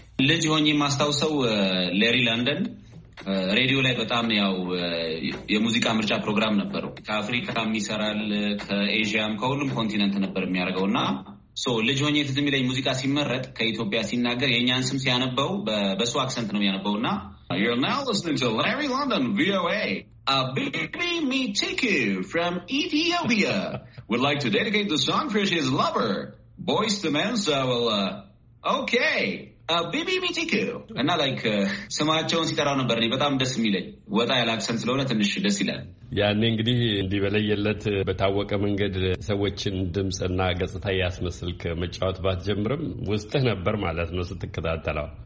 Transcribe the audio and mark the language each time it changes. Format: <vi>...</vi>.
<am>ልጅ ሆኜ ማስታውሰው ሌሪ ላንደን ሬዲዮ ላይ በጣም ያው የሙዚቃ ምርጫ ፕሮግራም ነበረው። ከአፍሪካም ይሰራል ከኤዥያም ከሁሉም ኮንቲነንት ነበር የሚያርገውና ልጅ ሆኜ ትዝም ይለኝ ሙዚቃ ሲመረጥ ከኢትዮጵያ ሲናገር የኛን ስም ሲያነበው በሱ አክሰንት ነው ያነበውና</am> <en>You're now listening to Larry London VOA. A baby me take you from Ethiopia. Would like to dedicate the song for his lover. Boys to men so well, okay.</en> <am>ቢቢ ሚቲኩ እና ላይክ ስማቸውን ሲጠራው ነበር እኔ በጣም ደስ የሚለኝ። ወጣ ያለ አክሰንት ስለሆነ ትንሽ ደስ ይላል። ያኔ እንግዲህ እንዲበለየለት በታወቀ መንገድ ሰዎችን ድምጽና ገጽታ ያስመስልክ መጫወት ባትጀምርም ውስጥህ ነበር ማለት ነው ስትከታተለው?</am>